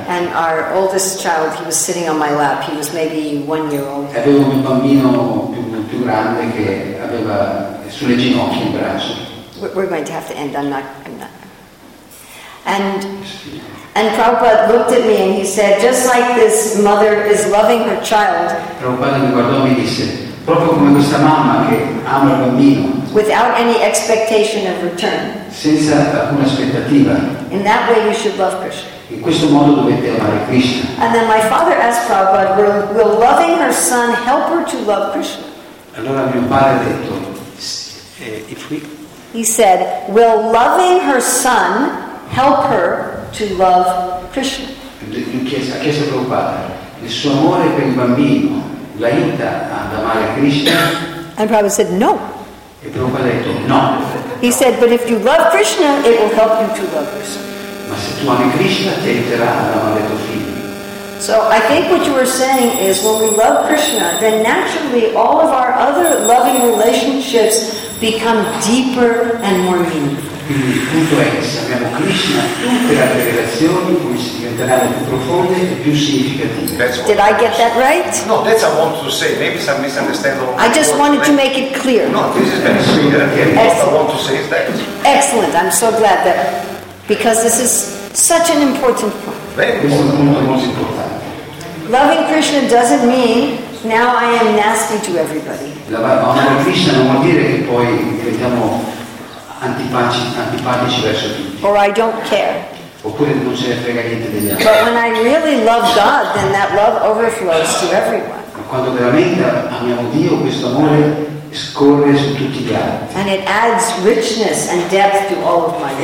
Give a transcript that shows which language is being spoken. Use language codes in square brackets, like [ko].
[en] And our oldest child, he was sitting on my lap. He was maybe 1 year old. [it] Avevo un bambino più grande che aveva sulle ginocchia in braccio. [en] We're going to have to end. I'm not. And Prabhupada looked at me and he said, just like this mother is loving her child. [it] Prabhupada mi guardò e mi disse, proprio come questa mamma che ama il bambino. [en] Without any expectation of return. [it] Senza alcuna aspettativa. [en] In that way, you should love Krishna. [it] In questo modo dovete amare Krishna. [en] And then my father asked Prabhupada, will loving her son help her to love Krishna? [it] Allora mio padre ha detto, [en] he said, will loving her son help her to love Krishna? [it] Ha chiesto Prabhupada, il suo amore per il bambino l'aiuta ad amare Krishna? [en] And Prabhupada said, no. [it] E Prabhupada ha detto, no. [en] He said, but if you love Krishna, it will help you to love Krishna. [it] Ma se tu ami Krishna, ti aiuterà ad amare tuo figlio. [en] So I think what you were saying is, when we love Krishna, then naturally all of our other loving relationships become deeper and more meaningful. [it] Il punto è che se amiamo Krishna, per altre relazioni diventeranno più profonde e più significative. [en] Did I get that right? No, that's what I wanted to say. Maybe some misunderstanding. I just wanted to make it clear. No, this is very clear. What I want to say is that. Excellent. I'm so glad that, because this is such an important point. Loving Krishna doesn't mean now I am nasty to everybody. [it] Amare Krishna non vuol dire che poi diventiamo antipatici verso tutti. [en] Or I don't care. [it] Oppure non se ne frega niente degli altri. [en] But when I really love God, then that love overflows to everyone. [it] Ma quando veramente amiamo Dio, questo amore scorre su tutti gli altri. [en] And it adds richness and depth to all of my life.